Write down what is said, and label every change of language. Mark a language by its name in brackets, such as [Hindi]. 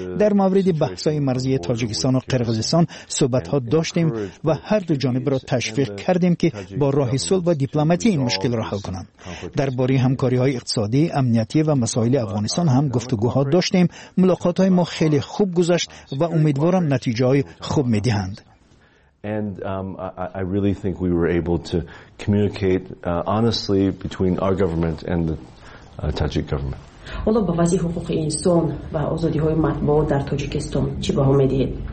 [Persian] در مورد بحث های مرزی تاجیکستان و قرغیزستان صحبت ها داشتیم و هر دو جانب را تشویق کردیم که با راه صلح و دیپلماتی این مشکل را حل کنند. درباره همکاری های اقتصادی، امنیتی و مسائل افغانستان هم گفتگوها داشتیم. ملاقات های ما خیلی خوب گذشت و امیدوارم نتیجه های خوب می دهند. [English] And I really think we were able to communicate honestly between our government and the Tajik government. [Persian] حالا به وضع حقوق انسان و آزادی های مطبوعات در تاجیکستان چی به امید دید؟